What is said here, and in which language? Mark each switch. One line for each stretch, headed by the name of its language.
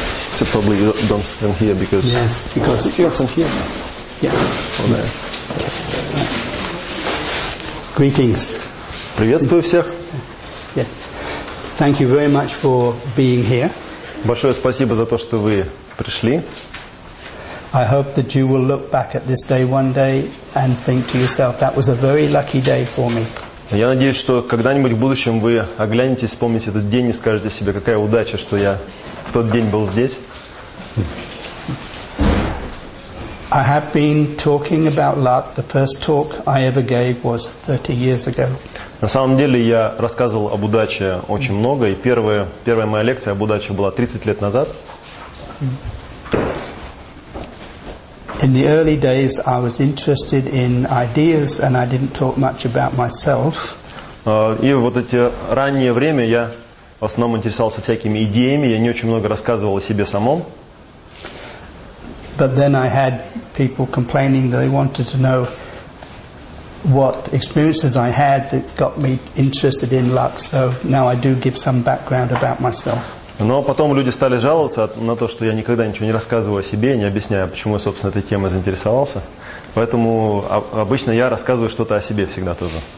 English: So probably don't come here because yes, because you're from here. Yeah. Or there. Greetings.
Russian: Приветствую всех.
English: Yeah. Thank you very much for being here.
Russian: Большое спасибо за то, что вы пришли.
English: I hope that you will look back at this day one day and think to yourself, that was a very lucky day for me.
Russian: Я надеюсь, что когда-нибудь в будущем вы оглянетесь, вспомните этот день и скажете себе, какая удача, что я в тот день был здесь.
English: I have been talking about luck. The first talk I ever gave was 30 years ago.
Russian: На самом деле я рассказывал об удаче очень много, и первая моя лекция об удаче была 30 лет назад.
English: In the early days I was interested in ideas and I didn't talk much about myself.
Russian: И вот эти раннее время я в основном интересовался всякими идеями, я не очень много рассказывал о себе самом.
English: But then I had people complaining that they wanted to know what experiences I had that got me interested in luck. So now I do give some background about myself.
Russian: Но потом люди стали жаловаться на то, что я никогда ничего не рассказываю о себе, не объясняю, почему я, собственно, этой темой заинтересовался. Поэтому обычно я рассказываю что-то о себе всегда тоже.